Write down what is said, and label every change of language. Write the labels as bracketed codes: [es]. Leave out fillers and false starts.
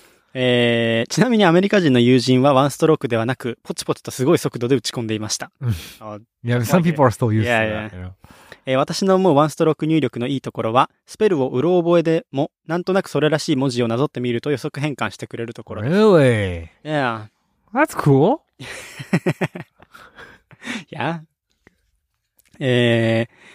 [ja] ちなみにアメリカ人の友人はワンストロークではなく、ポチポチとすごい速度で打ち込んでいました。 [en] yeah, some people are still used to that, you know? [ja] 私の思うワンストローク入力のいいところは、スペルをうろ覚えでも、なんとなくそれらしい文字をなぞってみると予測変換してくれるところです。 [en] Really? Yeah. That's cool. yeah.